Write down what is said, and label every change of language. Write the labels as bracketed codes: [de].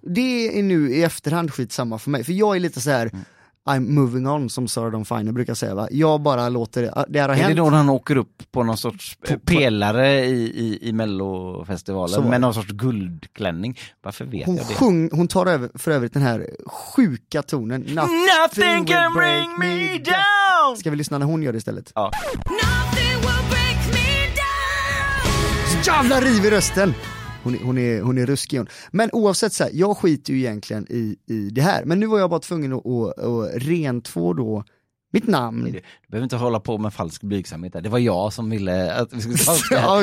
[sv] Det är nu i efterhand skitsamma för mig. För jag är lite så här, [en] I'm moving on, [sv] som Sarah Dawn Finer brukar säga, va? Jag bara låter det här ha hänt. Är det då han åker upp på någon sorts pelare i Mellofestivalen med någon sorts guldklänning? Varför vet hon jag det? Hon tar över, för övrigt, den här sjuka tonen. [en] Nothing can bring me down. [sv] Ska vi lyssna när hon gör det istället? [en] Ja. Nothing will break me [sv] down. Jävla riv i rösten. Hon är ruskig hon. Men oavsett så här, jag skiter ju egentligen i det här. Men nu var jag bara tvungen att rentvå då mitt namn. Nej, du behöver inte hålla på med falsk blygsamhet där. Det var jag som ville att vi skulle ta det här.